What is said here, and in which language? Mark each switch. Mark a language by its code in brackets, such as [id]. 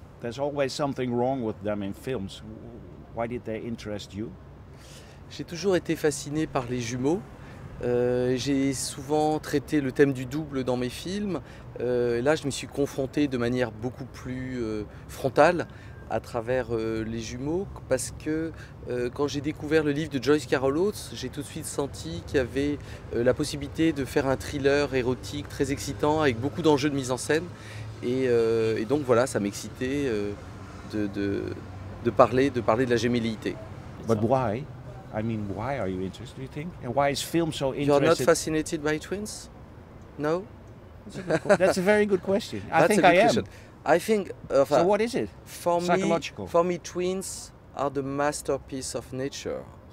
[en] There's always something wrong with them in films. Why did they interest you? [fr] J'ai toujours été fasciné par les jumeaux. J'ai souvent traité le thème du double dans mes films. Là, je me suis confronté de manière beaucoup plus frontale à travers les jumeaux, parce que quand j'ai découvert le livre de Joyce Carol Oates, j'ai tout de suite senti qu'il y avait la possibilité de faire un thriller érotique très excitant avec beaucoup d'enjeux de mise en scène. Et donc voilà, ça m'excitait de parler de la gémellité. [en] But why? I mean, why are you interested, do you think? And why is film so interesting? You're not fascinated by twins? No? That's a very good question. I think so what is it? For me, twins are the masterpiece of nature.